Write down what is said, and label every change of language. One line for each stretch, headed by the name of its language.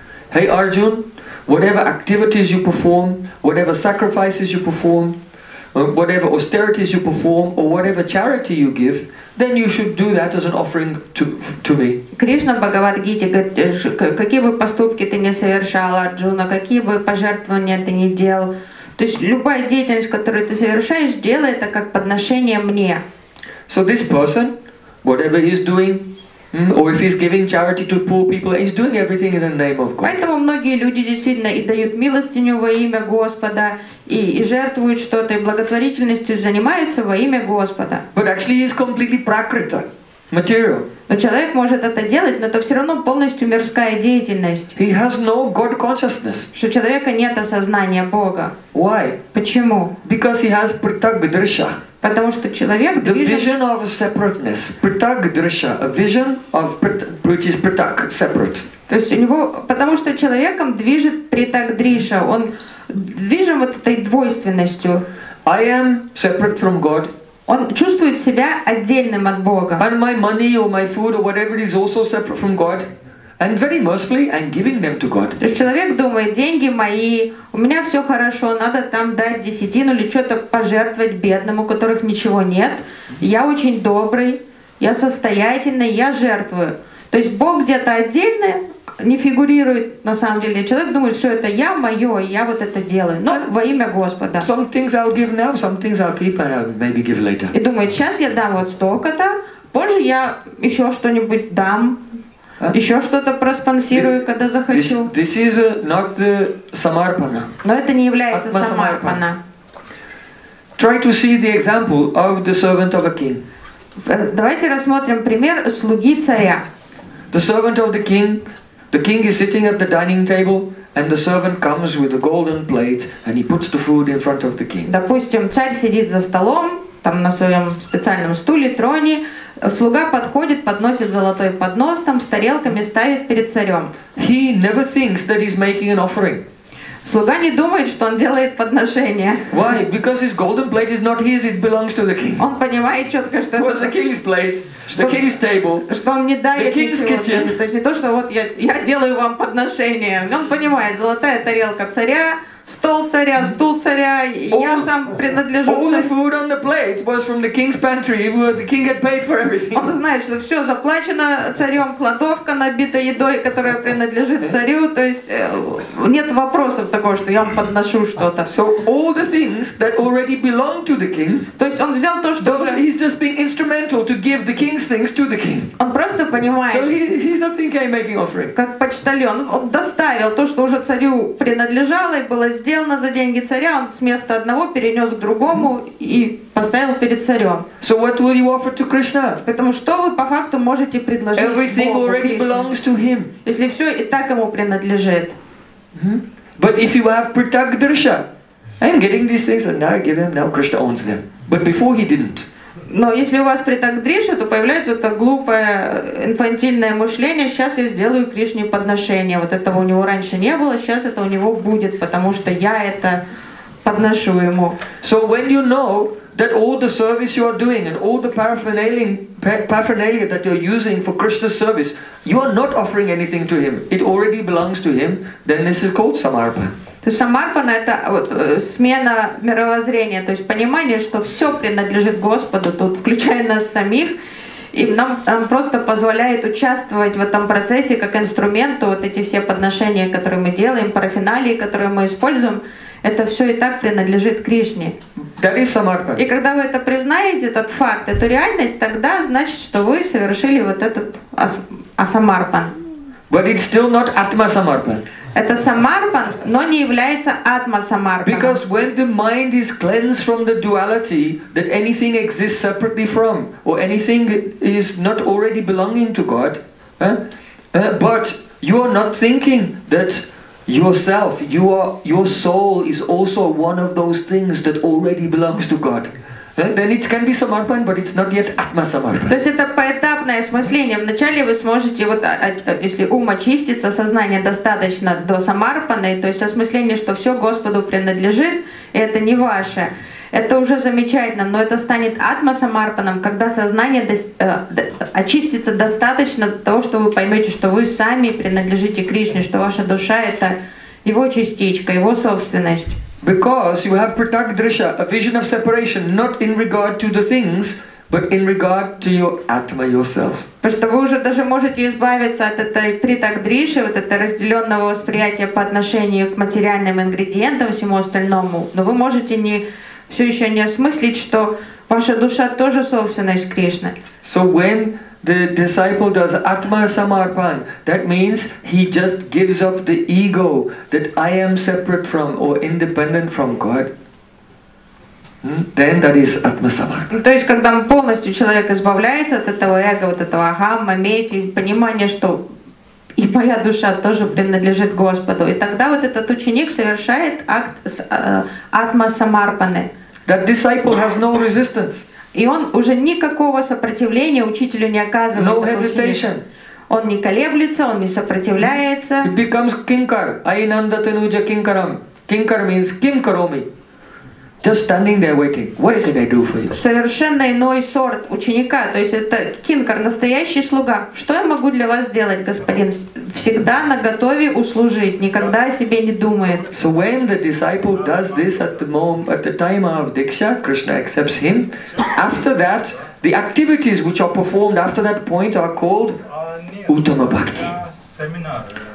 English: Hey Arjun, whatever activities you perform, whatever sacrifices you perform, whatever austerities you perform, or whatever charity you give, then you should do that as an offering to me.
Russian: Кришна Бхагавад Гите говорит, какие бы поступки ты не совершал, Арджуна, какие бы пожертвования ты не делал, то есть любая деятельность, которую ты совершаешь, делай это как подношение мне.
English: So this person, whatever he's doing, or if he's giving charity to poor people, he's doing everything in the name of God.
Russian: Поэтому многие люди действительно и дают милостыню во имя Господа, и жертвуют что-то, и благотворительностью занимаются во имя Господа.
English: But actually he's completely prakrita, material.
Russian: Но человек может это делать, но это все равно полностью мирская деятельность.
English: He has no God consciousness.
Russian: Что у человека нет осознания Бога.
English: Why?
Russian: Почему?
English: Because he has pritagdrisha.
Russian: Потому что человек движет...
English: The vision of separateness, pritagdrisha, a vision of which is pritag, separate.
Russian: То есть у него, потому что человеком движет pritagdrisha, он движим вот этой двойственностью.
English: I am separate from God.
Russian: Он чувствует себя отдельным от Бога.
English: And my money or my food or whatever is also separate from God. And very mostly I'm giving them to God.
Russian: То есть человек думает, деньги мои, у меня все хорошо, надо там дать десятину или что-то пожертвовать бедным, у которых ничего нет. Я очень добрый, я состоятельный, я жертвую. То есть Бог где-то отдельно не фигурирует на самом деле. Человек думает, все это я, мое, я вот это делаю. Но во имя Господа.
English: Some things I'll give now, some things I'll keep and I'll maybe give later.
Russian: И думает, сейчас я дам вот столько-то, позже я еще что-нибудь дам. Еще что-то проспонсирую, когда захочу.
English: This is not the samarpana.
Russian: Но это не является самарпана.
English: Try to see the example of the servant of a king.
Russian: Давайте рассмотрим пример слуги царя.
English: The servant of the king. The king is sitting at the dining table, and the servant comes with a golden plate, and he puts the food in front of the king.
Russian: Допустим, царь сидит за столом, там на своем специальном стуле, троне. Слуга подходит, подносит золотой поднос, там с тарелками ставит перед царем.
English: He never thinks that he's making an offering.
Russian: Слуга не думает, что он делает подношение.
English: Why? Because his golden plate is not his, it belongs to the king.
Russian: Он понимает четко, что это...
English: It was the king's plate, the king's table,
Russian: что он не дает
English: the king's
Russian: ничего.
English: Kitchen.
Russian: То есть не то, что вот я делаю вам подношение. Он понимает, золотая тарелка царя, стол царя, стул царя, я сам принадлежу царю.
English: All the food on the plate was from the king's pantry, where the king had paid for everything.
Russian: Он знает, что все заплачено царем, кладовка набита едой, которая принадлежит царю, то есть нет вопросов такого, что я вам подношу что-то.
English: So all the things that already belong to the king,
Russian: то есть он взял то, что...
English: He's just being instrumental to give the king's things to the king.
Russian: Он просто понимает...
English: So he's not thinking I'm making offering.
Russian: Как почтальон, он доставил то, что уже царю принадлежало и было сделано за деньги царя, он с места одного перенес к другому и поставил перед царем.
English: So what will you offer to Krishna?
Russian: Поэтому что вы по факту можете предложить Богу?
English: Everything already belongs to him.
Russian: Если все и так ему принадлежит.
English: But if you have pritagdrisha, I'm getting these things and now I give them, now Krishna owns them. But before he didn't.
Russian: Но если у вас pritagdrisha, то появляется это глупое инфантильное мышление. Сейчас я сделаю Кришне подношение. Вот этого у него раньше не было, сейчас это у него будет, потому что я это подношу ему.
English: So when you know that all the service you are doing and all the paraphernalia that you're using for Krishna's service, you are not offering anything to him. It already belongs to him, then this is called samarpa.
Russian: То есть самарпана — это вот смена мировоззрения, то есть понимание, что все принадлежит Господу, тут включая нас самих, и нам просто позволяет участвовать в этом процессе как инструменту, вот эти все подношения, которые мы делаем, парафиналии, которые мы используем, это все и так принадлежит Кришне.
English: That is samarpana.
Russian: И когда вы это признаете, этот факт, эту реальность, тогда значит, что вы совершили вот этот асамарпан.
English: But it's still not атма-самарпан.
Russian: Это самарпан, но не является атма-самарпаном.
English: Because when the mind is cleansed from the duality that anything exists separately from, or anything is not already belonging to God, but you are not thinking that yourself, your soul is also one of those things that already belongs to God. Then it can be samarpan, but it's not yet atma samarpan.
Russian: То есть это поэтапное осмысление. Вначале вы сможете, вот если ум очистится, сознание достаточно до самарпаны, то есть осмысление, что все Господу принадлежит, и это не ваше. Это уже замечательно, но это станет атма-самарпаном, когда сознание очистится достаточно до того, что вы поймете, что вы сами принадлежите Кришне, что ваша душа — это его частичка, его собственность.
English: Because you have pratak-drisha, a vision of separation, not in regard to the things, but in regard to your atma, yourself.
Russian: Потому что вы уже даже можете избавиться от этой притак-дриши, вот это разделенного восприятия по отношению к материальным ингредиентам, всему остальному, но вы можете не... все еще не осмыслить, что ваша душа тоже собственность Кришны.
English: So when the disciple does atma samarpan, that means he just gives up the ego that I am separate from or independent from God. Then that is atma samarpan.
Russian: То есть когда полностью человек избавляется от этого эго, вот этого ахамма, мети, понимание, что и моя душа тоже принадлежит Господу, и тогда вот этот ученик совершает акт атма самарпаны.
English: That disciple has no resistance.
Russian: И он уже никакого сопротивления учителю не оказывает.
English: No hesitation.
Russian: Он не колеблется, он не сопротивляется.
English: It becomes kinkar. Ainanda tenuja kinkaram. Kinkar means kim karomi. Just standing there waiting. What can I do for you?
Russian: Совершенно иной сорт ученика. То есть это кинкар, настоящий слуга. Что я могу для вас сделать, господин? Всегда наготове услужить, никогда о себе не думает.
English: So when the disciple does this at the moment, at the time of Diksha, Krishna accepts him. After that, the activities which are performed after that point are called Uttama Bhakti.